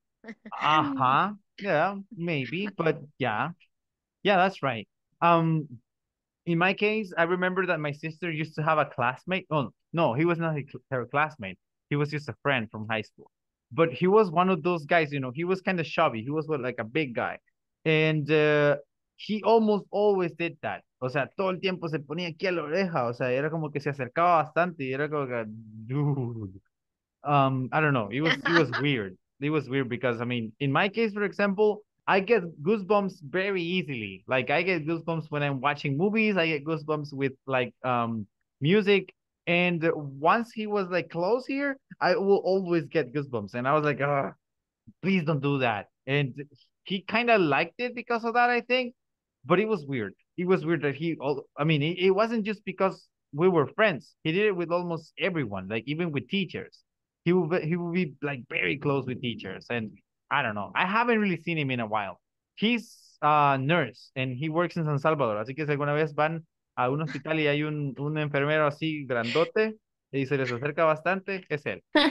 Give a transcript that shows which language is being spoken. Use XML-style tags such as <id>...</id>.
<en>Uh-huh. Yeah, maybe, but yeah. Yeah, that's right. In my case, I remember that my sister used to have a classmate. Oh, no, he was not her classmate. He was just a friend from high school. But he was one of those guys, you know, he was kind of chubby. He was like a big guy. And he almost always did that.</en> <es>O sea, todo el tiempo se ponía aquí a la oreja. O sea, era como que se acercaba bastante. Y era como que,</es> <en>dude. I don't know. It was weird. It was weird because, I mean, in my case, for example, I get goosebumps very easily. Like, I get goosebumps when I'm watching movies. I get goosebumps with, like, music. And once he was, like, close here, I will always get goosebumps. And I was like, please don't do that. And he kind of liked it because of that, I think. But it was weird. It was weird that it wasn't just because we were friends. He did it with almost everyone, like, even with teachers. He would be, like, very close with teachers. And I don't know. I haven't really seen him in a while. He's a nurse, and he works in San Salvador.</en> <es>Así que si alguna vez van a un hospital y hay un enfermero así grandote y se les acerca bastante, es él.</es>